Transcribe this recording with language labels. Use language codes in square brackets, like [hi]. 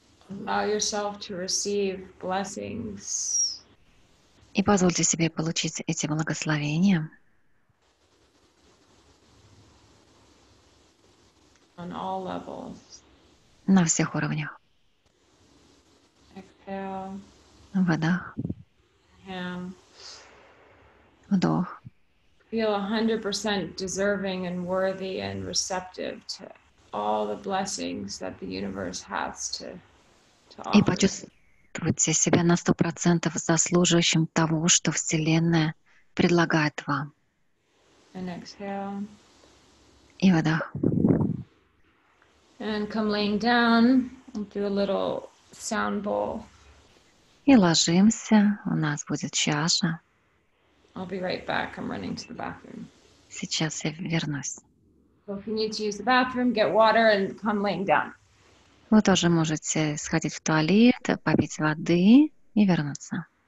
[en] Allow yourself to receive blessings. [ru] И позвольте себе получить эти благословения. [en] On all levels. [ru] На всех уровнях. [en] Exhale. [ru] Выдох. [en] Inhale. [ru] Вдох. [en] Feel 100% deserving and worthy and receptive to all the blessings that the universe has to. [ru] И почувствуйте себя на 100% заслуживающим того, что Вселенная предлагает вам. [en] And exhale. [ru] И выдох. [en] And come laying down and do a little sound bowl. [ru] И ложимся. У нас будет чаша. [en] I'll be right back. I'm running to the bathroom. [ru] Сейчас я вернусь. [en] So if you need to use the bathroom, get water and come laying down. [ru] Вы тоже можете сходить в туалет, попить воды и вернуться.